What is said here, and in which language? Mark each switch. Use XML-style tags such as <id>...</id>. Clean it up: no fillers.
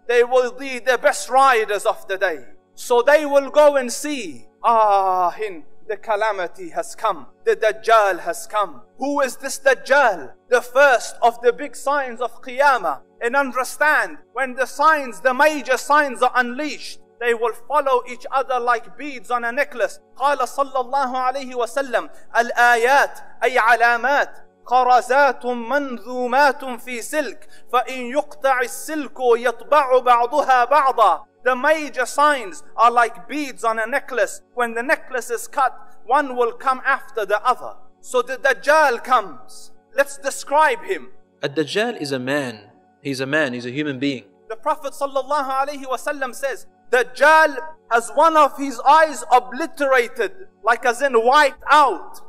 <en>They will be the best riders of the day. So they will go and see, the calamity has come. The Dajjal has come. Who is this Dajjal? The first of the big signs of Qiyamah. And understand, when the signs, the major signs are unleashed, they will follow each other like beads on a necklace.</en> <ar>قال صلى الله عليه وسلم الآيات أي علامات قرزات منظومات في سلك فإن يقطع السلك يطبع بعضها بعضا.</ar> <en>The major signs are like beads on a necklace. When the necklace is cut, one will come after the other. So the Dajjal comes. Let's describe him. A Dajjal is a man. He's a man, he's a human being. The Prophet sallallahu alayhi wa sallam says, Dajjal has one of his eyes obliterated, like as in wiped out.</en>